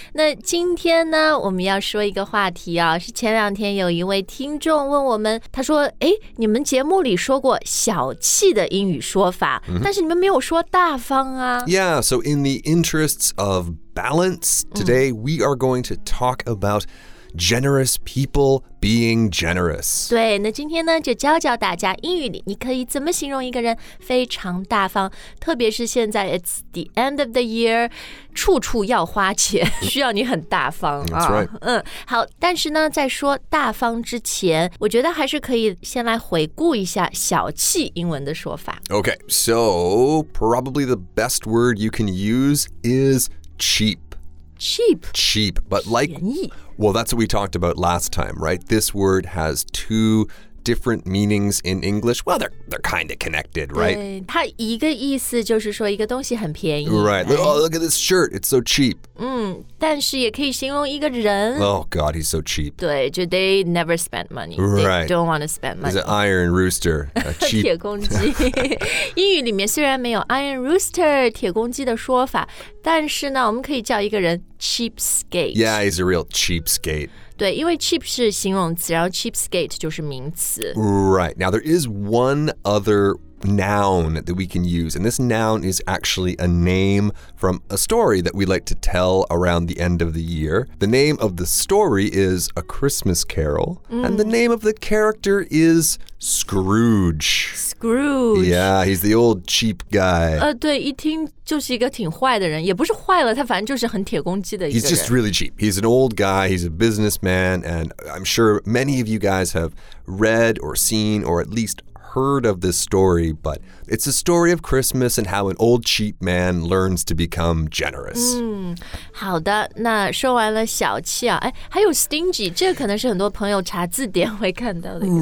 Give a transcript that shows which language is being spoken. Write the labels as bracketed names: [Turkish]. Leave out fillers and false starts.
[Chinese] 那今天呢，我们要说一个话题啊，是前两天有一位听众问我们，他说，哎，你们节目里说过小气的英语说法，但是你们没有说大方啊。 [English] Yeah, so in the interests of balance, today we are going to talk aboutGenerous people being generous. [Chinese] 对，那今天呢，就教教大家英语里你可以怎么形容一个人非常大方，特别是现在 [English] it's the end of the year, [Chinese] 处处要花钱，需要你很大方。 [English] That's right. [Chinese] 好，但是呢，在说大方之前，我觉得还是可以先来回顾一下小气英文的说法。 [English] Okay, so probably the best word you can use is cheap. Cheap, but like, well, that's what we talked about last time, right? This word has two different meanings in English. Well, they're kind of connected, right? [Chinese] 对，它一个意思就是说一个东西很便宜。 [English] Right. Oh, look at this shirt. It's so cheap. [Chinese] 但是也可以形容一个人。 [English] Oh, God, he's so cheap. [Chinese] 对，就 [English] they never spend money. Right. They don't want to spend money. He's an iron rooster. A cheap. [Chinese] 铁公鸡。英语里面虽然没有 [English] iron rooster, [Chinese] 铁公鸡的说法,但是呢,我们可以叫一个人 cheapskate. [English] Yeah, he's a real cheapskate. [Chinese] 对，因为 cheap 是形容词，然后 cheapskate 就是名词。 [English] Right. Now, there is one other noun that we can use, and this noun is actually a name from a story that we like to tell around the end of the year. The name of the story is A Christmas Carol, and the name of the character is Scrooge. Scrooge. Yeah, he's the old cheap guy. [Chinese] 对，一听就是一个挺坏的人，也不是坏了，他反正就是很铁公鸡的一个人。 [English] He's just really cheap. He's an old guy, he's a businessman, and I'm sure many of you guys have read or seen or at least heard of this story, but it's a story of Christmas and how an old cheap man learns to become generous. [Chinese] 好的，那说完了小气啊，哎，还有 stingy， 这可能是很多朋友查字典会看到的。